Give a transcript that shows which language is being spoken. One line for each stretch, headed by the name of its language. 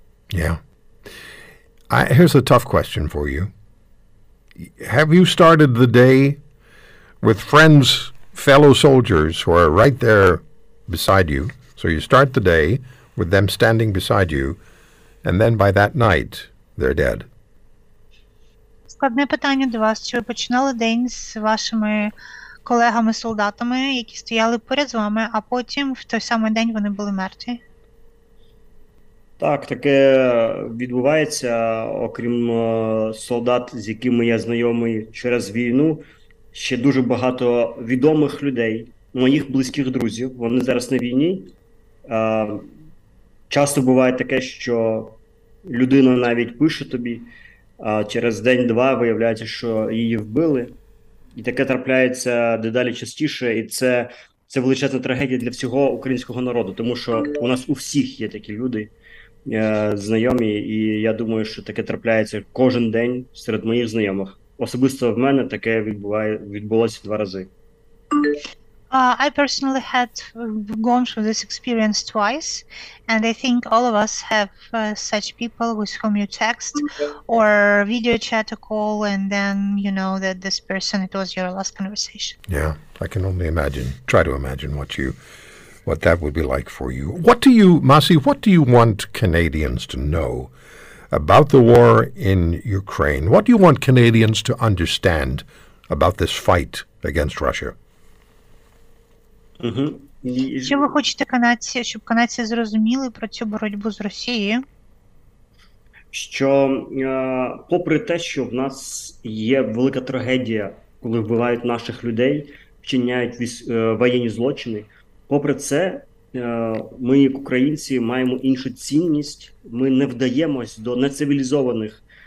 English: Yeah. Here's a tough question for you. Have you started the day with friends, fellow soldiers who are right there beside you? So you start the day with them standing beside you, and then by that night, they're dead.
Ukrainian: Складне питання до вас. Чи ви починали день з вашими колегами-солдатами, які стояли поряд з вами, а потім в той самий день вони були мертві? Так, таке відбувається, окрім солдат, з якими я знайомий через війну, ще дуже багато відомих людей, моїх близьких друзів, вони зараз на війні. Часто буває таке, що людина навіть пише тобі, а через день-два виявляється, що її вбили. І таке трапляється дедалі частіше, і це величезна трагедія для всього українського народу, тому що у нас у всіх є такі люди. Знайомі, і я думаю, що таке трапляється кожен день серед моїх знайомих. Особисто в мене таке відбулося два рази.
English: I personally had gone through this experience twice, and I think all of us have such people with whom you text or video chat a call, and then you know that this person, it was your last conversation. Yeah, I can only imagine, try to imagine what that would be like for you. What do you, Masi, what do you want Canadians to know about the war in Ukraine? What do you want Canadians to understand about this fight against Russia? Mm-hmm.
Ukrainian: Що ви хочете канадці, щоб канадці зрозуміли про цю боротьбу з Росією? Що попри те, що в нас є велика трагедія, коли вбивають наших людей, вчиняють воєнні злочини, попри це, ми, як українці, маємо іншу цінність. Ми не вдаємось до нецивілізованих